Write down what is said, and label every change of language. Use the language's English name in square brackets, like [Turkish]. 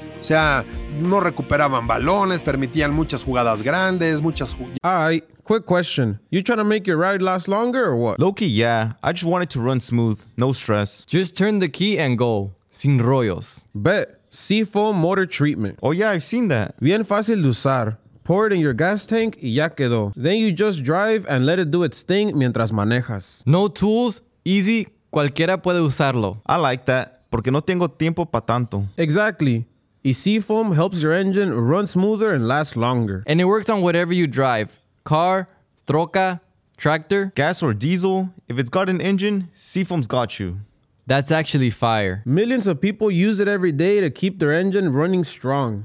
[Spanish] O sea, no recuperaban balones, permitían muchas jugadas grandes, muchas jugadas. [English] Alright, quick question. You trying to make your ride last longer or what? Low-key, yeah. I just wanted to run smooth, no stress. Just turn the key and go. [Spanish] Sin rollos. [English] Bet. Seafoam motor treatment. Oh yeah, I've seen that. [Spanish] Bien fácil de usar. [English] Pour it in your gas tank [Spanish] y ya quedó. [English] Then you just drive and let it do its thing [Spanish] mientras manejas. [English] No tools, easy, [Spanish] cualquiera puede usarlo. [English] I like that, [Spanish] porque no tengo tiempo para tanto. [English] Exactly. Y Seafoam helps your engine run smoother and last longer. And it works on whatever you drive. Car, troca, tractor. Gas or diesel, if it's got an engine, Seafoam's got you. That's actually fire. Millions of people use it every day to keep their engine running strong.